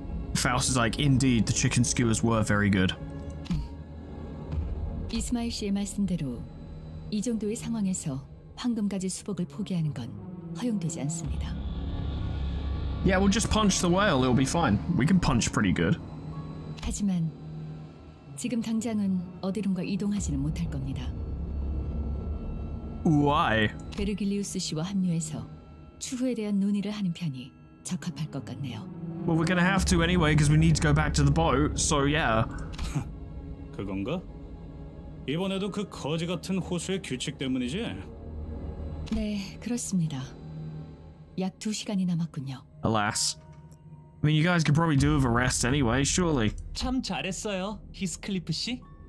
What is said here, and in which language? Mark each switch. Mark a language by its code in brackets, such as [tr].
[en] Faust is like, indeed, the chicken skewers were very good. [ko] 이스마일 씨의 말씀대로 이 정도의 상황에서 황금가지 수복을 포기하는 건 허용되지 않습니다. [en] Yeah, we'll just punch the whale. It'll be fine. We can punch pretty good. [ko] 하지만 지금 당장은 어디론가 이동하지는 못할 겁니다. [en] Why? [ko] 베르길리우스 씨와 합류해서 추후에 대한 논의를 하는 편이 적합할 것 같네요. [en] Well, we're gonna have to anyway, because we need to go back to the boat. So yeah. [ko] 그건가? 이번에도 그 거지 같은 호수의 규칙 때문이지? 네, 그렇습니다. 약 두 시간이 남았군요. [en] Alas. I mean, you guys could probably do with a rest anyway, surely. [ko] 참 잘했어요, 히스클리프 씨.